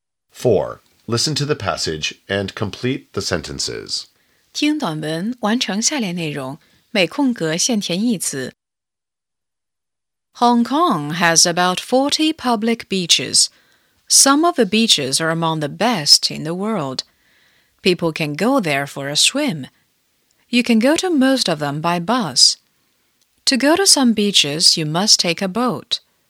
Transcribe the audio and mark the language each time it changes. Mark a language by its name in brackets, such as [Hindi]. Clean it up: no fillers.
[English] Four. Listen to the passage and complete the sentences. [Chinese] 听短文，完成下列内容，每空格限填一词。 [English] Hong Kong has about 40 public beaches. Some of the beaches are among the best in the world. People can go there for a swim. You can go to most of them by bus. To go to some beaches, you must take a boat.